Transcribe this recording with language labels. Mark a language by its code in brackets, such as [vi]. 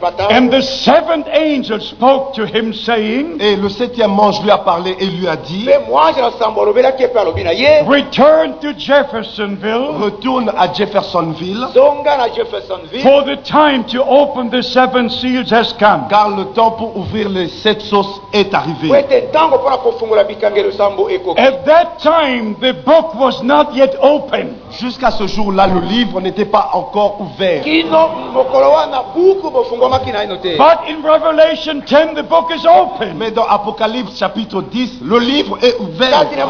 [en] And the seventh angel spoke to him saying. [fr] Et le septième ange lui a parlé et lui a dit. [en] Return to Jeffersonville. [fr] Retourne à Jeffersonville. [en] For the time to open the seventh. [fr] Car le temps pour ouvrir les sept sauces est arrivé. [en] At that time, the book was not yet open. [fr] Jusqu'à ce jour-là, le livre n'était pas encore ouvert. [en] But in Revelation 10, the book is open. [fr] Mais dans Apocalypse chapitre 10, le livre est ouvert.